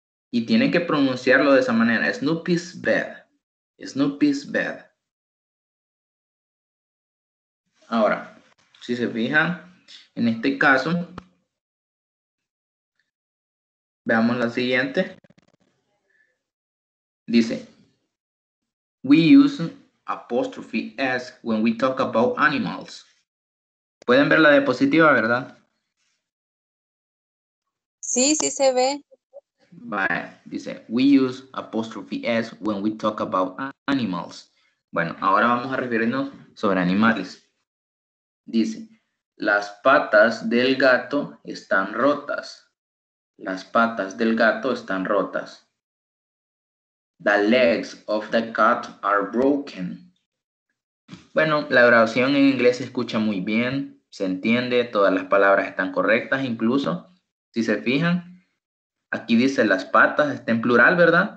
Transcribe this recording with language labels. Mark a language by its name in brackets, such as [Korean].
[Spanish] Y tienen que pronunciarlo de esa manera. [English] Snoopy's bed. Snoopy's bed. [Spanish] Ahora, si se fijan, en este caso, veamos la siguiente. [English] Dice, we use apostrophe S when we talk about animals. [Spanish] ¿Pueden ver la diapositiva, verdad? Sí, sí se ve. [English] Vale, dice, we use apostrophe S when we talk about animals. [Spanish] Bueno, ahora vamos a referirnos sobre animales. Dice, las patas del gato están rotas. Las patas del gato están rotas. [English] The legs of the cat are broken. [Spanish] Bueno, la oración en inglés se escucha muy bien, se entiende, todas las palabras están correctas, incluso, si se fijan, aquí dice las patas, está en plural, ¿verdad?